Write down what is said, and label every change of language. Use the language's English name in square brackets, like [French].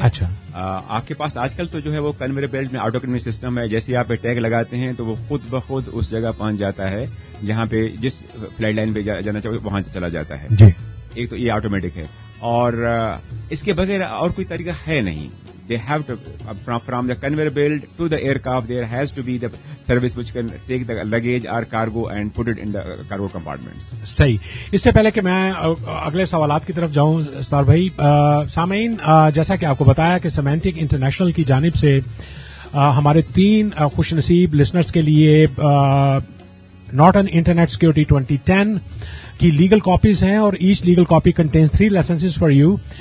[Urdu] اچھا آپ کے پاس آج کل تو جو ہے وہ کنویئر بیلٹ میں آٹو کنویئر سسٹم ہے, جیسے آپ پہ ٹیگ لگاتے ہیں تو وہ خود بخود اس جگہ پہنچ جاتا ہے جہاں پہ جس فلائٹ لائن پہ جانا چاہے وہاں چلا جاتا ہے. جی. ایک تو یہ آٹومیٹک ہے اور اس کے بغیر اور کوئی طریقہ ہے نہیں. [English] They have to from the conveyor belt to the aircraft there has to be the service which can take the luggage or cargo and put it in the cargo compartment. [Urdu] صحیح. اس سے پہلے کہ میں اگلے سوالات کی طرف جاؤں سار بھائی, سامعین جیسا کہ آپ کو بتایا کہ سیمینٹک انٹرنیشنل کی جانب سے ہمارے 3 خوش نصیب لسنرس کے لیے نارٹن انٹرنیٹ سیکورٹی 2010 کی لیگل کاپیز ہیں اور [English] Each legal copy contains 3 licences for you.